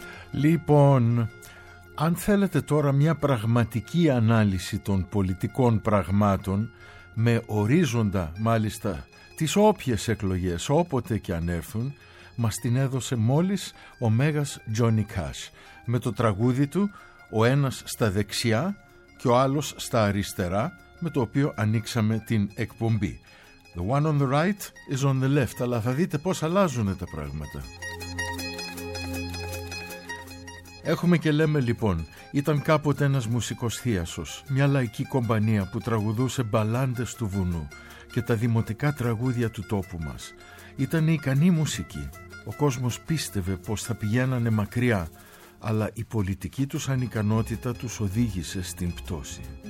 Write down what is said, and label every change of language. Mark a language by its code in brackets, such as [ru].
[el] Λοιπόν, αν θέλετε τώρα μια πραγματική ανάλυση των πολιτικών πραγμάτων, με ορίζοντα μάλιστα τις όποιες εκλογές, όποτε και αν έρθουν, μας την έδωσε μόλις ο Μέγας Τζόνι Κας, με το τραγούδι του «Ο ένας στα δεξιά και ο άλλος στα αριστερά», με το οποίο ανοίξαμε την εκπομπή. [en] «The one on the right is on the left», [el] αλλά θα δείτε πώς αλλάζουν τα πράγματα. Έχουμε και λέμε λοιπόν, ήταν κάποτε ένας μουσικός θίασος, μια λαϊκή κομπανία που τραγουδούσε μπαλάντες του βουνού και τα δημοτικά τραγούδια του τόπου μας. Ήταν ικανή μουσική, ο κόσμος πίστευε πως θα πηγαίνανε μακριά, αλλά η πολιτική τους ανικανότητα τους οδήγησε στην πτώση.